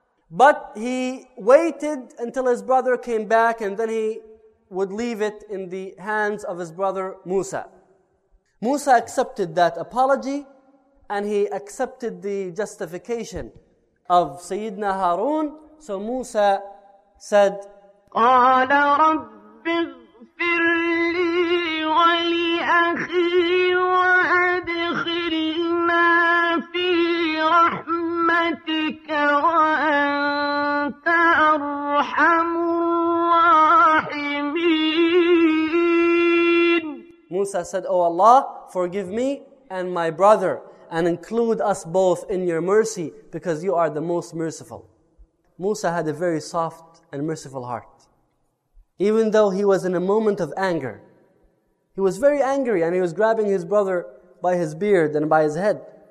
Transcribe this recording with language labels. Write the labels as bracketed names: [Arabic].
[English] But he waited until his brother came back, and then he would leave it in the hands of his brother Musa. Musa accepted that apology and he accepted the justification of Sayyidina Harun. So Musa said, [Arabic] قال رب اغفر لي ولأخي وأدخلنا في رحمتك وأنت أرحم الراحمين. [English] Musa said, O Allah, forgive me and my brother, and include us both in your mercy because you are the most merciful. Musa had a very soft and merciful heart. Even though he was in a moment of anger, he was very angry and he was grabbing his brother by his beard and by his head.